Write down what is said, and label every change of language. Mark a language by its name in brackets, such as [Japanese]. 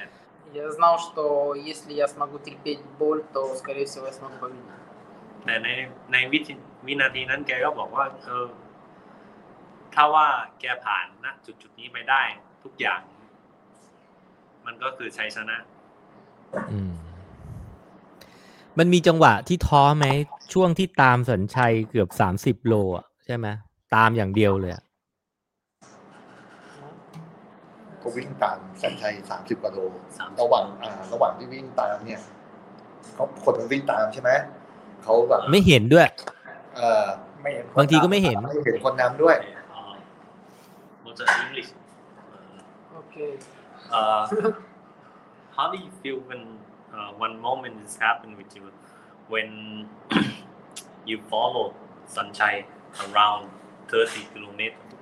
[Russian] я знал что если я смогу терпеть боль то скорее всего я смогу победить [Thai] แต่ในวินาทีนั้นแกก็บอกว่าเออถ้าว่าแกผ่านณจุดนี้ไปได้ทุกอย่างมันก็คือชัยชนะ มันมีจังหวะที่ท้อไหมช่วงที่ตามสันชัยเกือบ30โลอ่ะใช่ไหมตามอย่างเดียวเลย ก็วิ่งตามสันชัย30กว่าโลระหว่างที่วิ่งตามเนี่ยเขาคนมันวิ่งตามใช่ไหมเขาแบบ ไม่เห็นด้วย ไม่เห็น บางทีก็ไม่เห็น ไม่เห็นคนนำด้วย [English] โอเคHow do you feel when one moment has happened with you when you followed Sanchai around 30 kilometers?